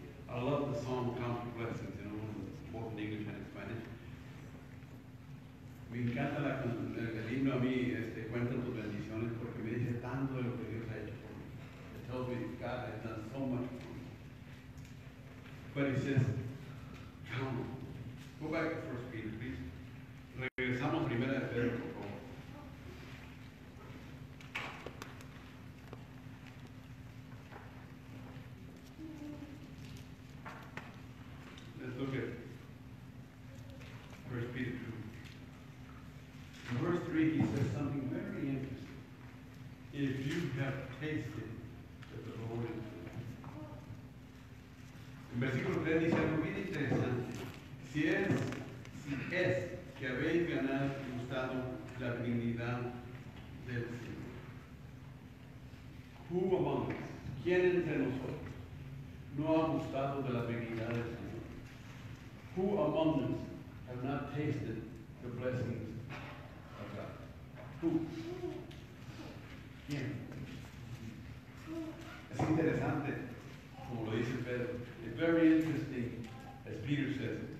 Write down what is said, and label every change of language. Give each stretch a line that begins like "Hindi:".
English: I love the song Counter-blessings, you know, both in English and in Spanish.
Spanish: Me encanta la, el himno a mí, este, cuenta tus bendiciones, porque me dice tanto de lo que Dios ha hecho por mí.
English: It tells me God has done so much for me. But he says, come on. Go back to 1 Peter, please.
Spanish: Regresamos primero a Pedro, por favor.
English: Let's look at 1 Peter 2. In verse 3, he says something very interesting. If you have tasted that the Lord is good.
Spanish: En versículo 3 dice algo bien interesante. Si es que habéis ganado y gustado la benignidad del Señor.
English: Who among us?
Spanish: ¿Quién entre nosotros no ha gustado de la benignidad del Señor?
English: Who among us have not tasted the blessings of God? Who?
Spanish: ¿Quién? Es interesante, como lo dice Pedro.
English: It's very interesting, as Peter says.